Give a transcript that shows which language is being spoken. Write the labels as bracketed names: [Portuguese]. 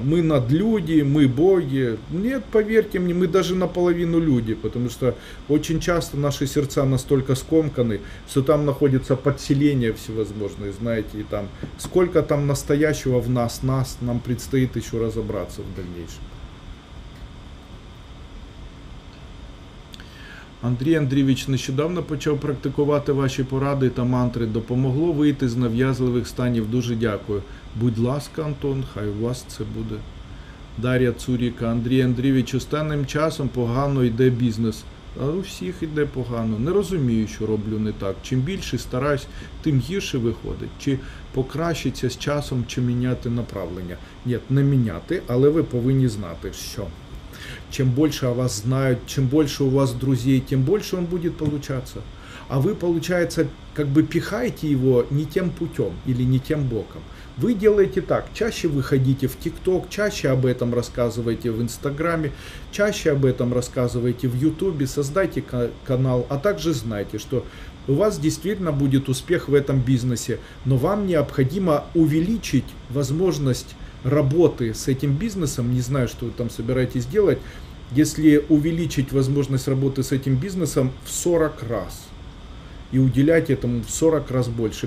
[Russian] Мы надлюди, мы боги. Нет, поверьте мне, мы даже наполовину люди, потому что очень часто наши сердца настолько скомканы, что там находится подселение всевозможные, знаете, и там сколько там настоящего в нас, нам предстоит еще разобраться в дальнейшем. [Ukrainian] Андрій Андрійович, нещодавно почав практикувати ваші поради та мантри. Допомогло вийти з нав'язливих станів. Дуже дякую. Будь ласка, Антон, хай у вас це буде. Дар'я Цуріка. Андрій Андрійович, останнім часом погано йде бізнес. А у всіх йде погано. Не розумію, що роблю не так. Чим більше стараюсь, тим гірше виходить. Чи покращиться з часом, чи міняти направлення? Ні, не міняти, але ви повинні знати, що... [Russian] Чем больше о вас знают, чем больше у вас друзей, тем больше он будет получаться. А вы, получается, как бы пихаете его не тем путем или не тем боком. Вы делаете так, чаще выходите в ТикТок, чаще об этом рассказываете в Инстаграме, чаще об этом рассказываете в Ютубе, создайте канал, а также знайте, что у вас действительно будет успех в этом бизнесе, но вам необходимо увеличить возможность работы с этим бизнесом, не знаю, что вы там собираетесь делать, если увеличить возможность работы с этим бизнесом в 40 раз и уделять этому в 40 раз больше.